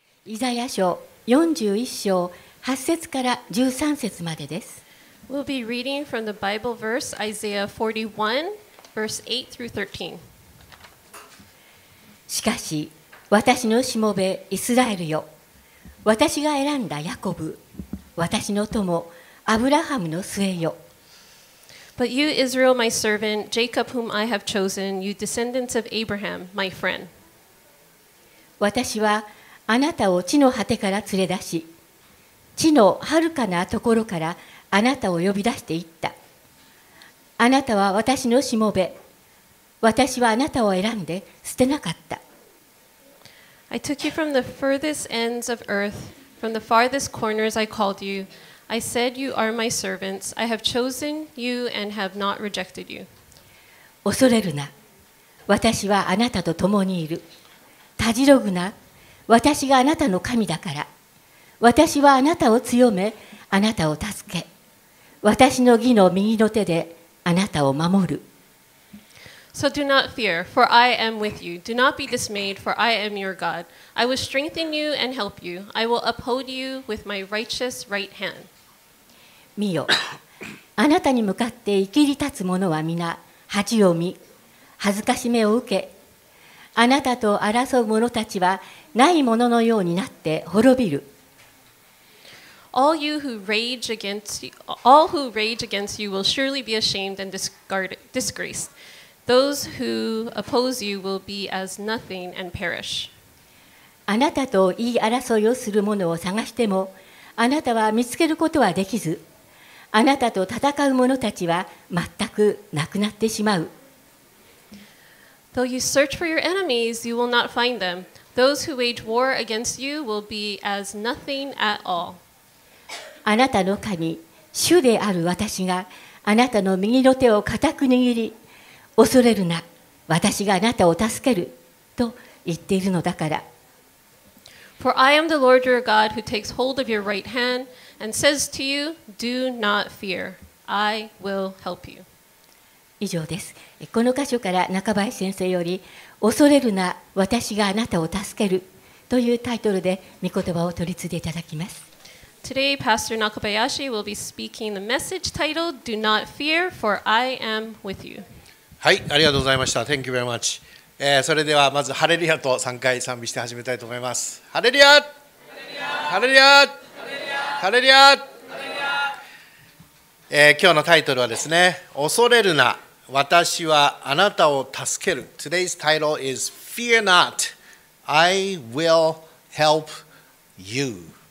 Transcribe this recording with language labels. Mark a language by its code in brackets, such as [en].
[ja] イザヤ書41章8節から13節までです。 [en] We'll be reading from the Bible verse Isaiah 41 verse 8 through 13。 [ja] しかし私のしもべイスラエルよ、私が選んだヤコブ、私の友アブラハムの末よ。 [en] But you Israel my servant Jacob whom I have chosen, you descendants of Abraham my friend。 [ja] 私はあなたを地の果てから連れ出し、地の遥かなところからあなたを呼び出していった。あなたは私のしもべ、私はあなたを選んで捨てなかった。 [en] I took you from the furthest ends of earth, from the farthest corners I called you. I said, You are my servants. I have chosen you and have not rejected you. [ja] 恐れるな。私はあなたと共にいる。たじろぐな。私があなたの神だから。私はあなたを強め、あなたを助け。私の義の右の手であなたを守る。 [en] So do not fear, for I am with you. Do not be dismayed, for I am your God. I will strengthen you and help you. I will uphold you with my righteous right hand. [ja] 見よ、あなたに向かって生きり立つ者は皆恥を見、恥ずかしめを受け。あなたと争う者たちはない者のようになって滅びる。 [en] All who rage against you will surely be ashamed and disgraced. Those who oppose you will be as nothing and perish. [ja] あなたと言い争いをする者を探しても、あなたは見つけることはできず、あなたと戦う者たちは全くなくなってしまう。 [en] Though you search for your enemies, you will not find them. Those who wage war against you will be as nothing at all. [ja] あなたの神、主である私があなたの右の手を固く握り、恐れるな、私があなたを助けると言っているのだから。 [en] For I am the Lord your God who takes hold of your right hand and says to you, Do not fear, I will help you. [ja] 以上です。この箇所から中林先生より、恐れるな、私があなたを助けるというタイトルで御言葉を取り継いでいただきます。 [en] Today, Pastor Nakabayashi will be speaking the message titled, Do not fear, for I am with you. [ja] はい、ありがとうございました。 [en] Thank you very much.、 [ja] それではまずハレルヤと3回賛美して始めたいと思います。ハレルヤ、ハレルヤ、ハレルヤ、ハレルヤ。今日のタイトルはですね、恐れるな、私はあなたを助ける。 [en] Today's title is Fear Not, I Will Help You.